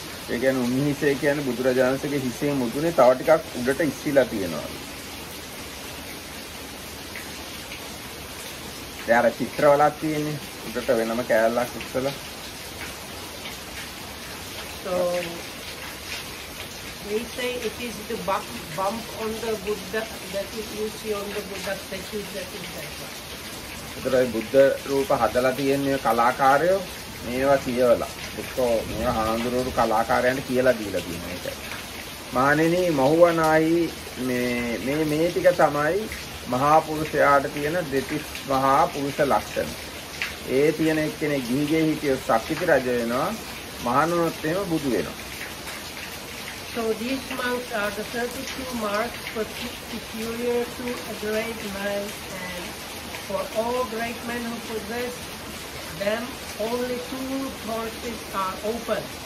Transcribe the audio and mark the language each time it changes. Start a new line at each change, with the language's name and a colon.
Sinhala: ඒ කියන්නේ උන්හිසේ කියන්නේ බුදුරජාණන්සේගේ හිසේ මුදුනේ තව ටිකක් උඩට ඉස්සිලා තියෙනවා. දැන් අර චිත්‍රවලක් තියෙන්නේ උඩට වෙනම කෑල්ලක් ඉස්සලා.
English: So they say it is the bump on the Buddha that you see on the Buddha statue that is
Sinhala: there. ඒතරයි බුද්ධ රූප හදලා තියෙන්නේ කලාකාරයෝ මේවා කියවලා. ඔක්කොම මේ හාමුදුරුවෝ කලාකාරයන්ට කියලා දීලා තියෙනවා ඒක. මානෙනි මහුවනායි මේ ටික තමයි මහා පුරුෂයාට තියෙන දෙතිස් මහා පුරුෂ ලක්ෂණ. ඒ තියෙන එක්කෙනෙක් ගිහිගෙන හිටිය සක්විති රජ වෙනවා. මහණුනොත් එහෙම බුදු වෙනවා.
English: So these monks are the 32 marks peculiar to a great man and for all great men who possess them only two courses are open.